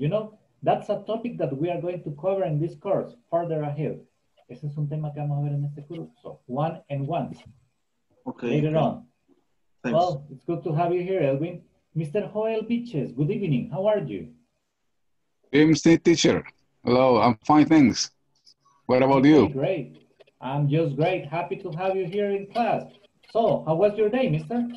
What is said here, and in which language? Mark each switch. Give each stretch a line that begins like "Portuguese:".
English: You know, that's a topic that we are going to cover in this course further ahead.
Spanish: Ese es un tema que vamos a ver en este curso.
English: One and one. Okay. Later on. Thanks. Well, it's good to have you here, Edwin. Mr. Joel Pitches, good evening. How are you? I'm state teacher. Hello, I'm fine, thanks. What about you? Great. I'm just great. Happy to have you here in class. So, how was your day, mister?